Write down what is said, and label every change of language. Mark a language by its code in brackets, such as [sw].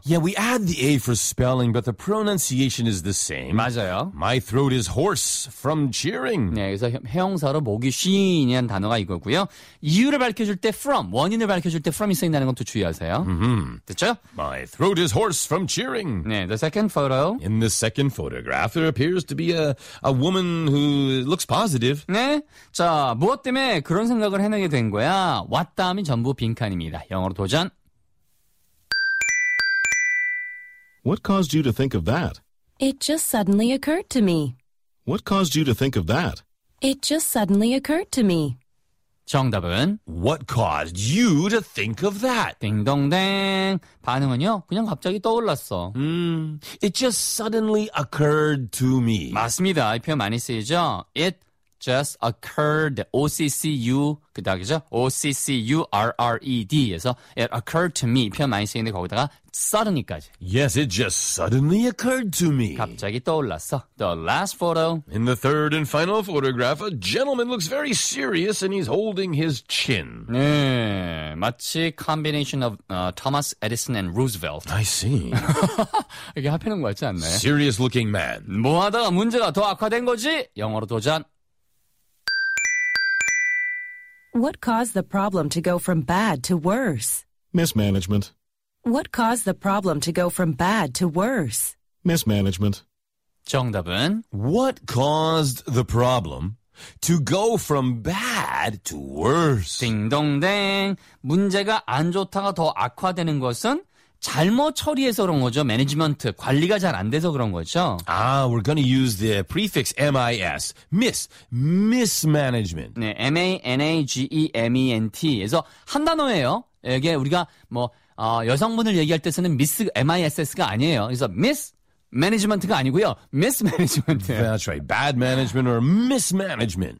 [en] Yeah, we add the A for spelling, but the pronunciation is the same. [ko] 맞아요. [en] My throat is hoarse from cheering. [ko] 네, 그래서 형사로 목이 쉰이라는 단어가 이거고요. 이유를 밝혀줄 때 from, 원인을 밝혀줄 때 from이 쓰인다는 것도 주의하세요. Mm-hmm. 됐죠? [en] My throat is hoarse from cheering. 네, the second photo. In the second photograph, there appears to be a woman who looks positive. [ko] 네, 자, 무엇 때문에 그런 생각을 해내게 된 거야? What 다음이 전부 빈칸입니다. 영어로 도전. [en] What caused you to think of that? It just suddenly occurred to me. What caused you to think of that? It just suddenly occurred to me. [ko] 정답은 [en] What caused you to think of that? [ko] 딩동댕. 반응은요? 그냥 갑자기 떠올랐어. [en] It just suddenly occurred to me. [ko] 맞습니다. 이 표현 많이 쓰이죠? [en] It just occurred. [ko] O-C-C-U. 그 다음이죠? [en] O-C-C-U-R-R-E-D에서 It occurred to me. [ko] 표현 많이 쓰이는데 거기다가 suddenly까지. [en] Yes, it just suddenly occurred to me. [ko] 갑자기 떠올랐어. [en] The last photo. In the third and final photograph, a gentleman looks very serious and he's holding his chin. 네, 마치 combination of Thomas Edison and Roosevelt. I see. [ko] 이게 합해놓은 것 같지 않나요? [en] Serious looking man. [ko] 뭐 하다가 문제가 더 악화된 거지? 영어로 도전. [en] What caused the problem to go from bad to worse? Mismanagement. What caused the problem to go from bad to worse? Mismanagement. [ko] 정답은? [en] What caused the problem to go from bad to worse? [ko] 딩동댕. 문제가 안 좋다가 더 악화되는 것은 잘못 처리해서 그런 거죠. 매니지먼트, 관리가 잘 안 돼서 그런 거죠. [en] Ah, we're going to use the prefix M-I-S. Miss, mismanagement. [ko] 네, M-A-N-A-G-E-M-E-N-T에서 한 단어예요. 이게 우리가 뭐 여성분을 얘기할 때 쓰는 Miss, M-I-S-S가 아니에요. 그래서 Miss Management가 아니고요. [en] Mismanagement. That's right. Bad management or mismanagement.